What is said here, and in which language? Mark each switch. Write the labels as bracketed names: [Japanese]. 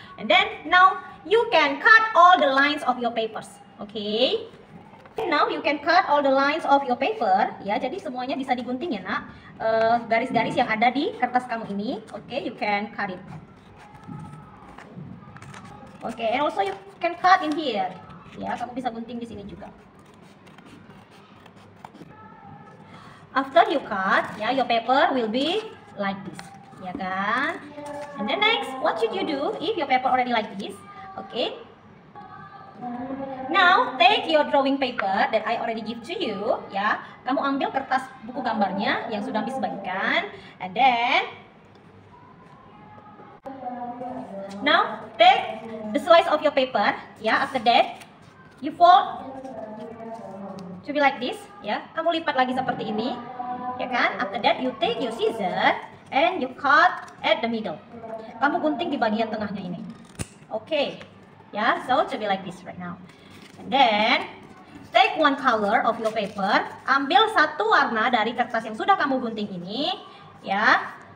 [English] And then now you can cut all the lines of your papers. Okay. And now you can cut all the lines of your paper, yeah. [Indonesian] Jadi semuanya bisa digunting ya, Nak. Garis-garis yang ada di kertas kamu ini. [English] Okay, you can cut it. Okay, and also you can cut in here. [Indonesian] Ya, kamu bisa gunting di sini juga. [English] After you cut, ya, your paper will be like this, ya kan? And then next, what should you do if your paper already like this? Okay. Now take your drawing paper that I already give to you, ya. [Indonesian] Kamu ambil kertas buku gambarnya yang sudah habis bagikan, [English] and then now take the slice of your paper, [Indonesian] ya. [English] After that, you fold to be like this, ya. [Indonesian] Kamu lipat lagi seperti ini, ya kan? [English] After that, you take your scissor and you cut at the middle. [Indonesian] Kamu gunting di bagian tengahnya ini. Okay, ya. [English] So to be like this right now. And then take one color of your paper. [Indonesian] Ambil satu warna dari kertas yang sudah kamu gunting ini, ya.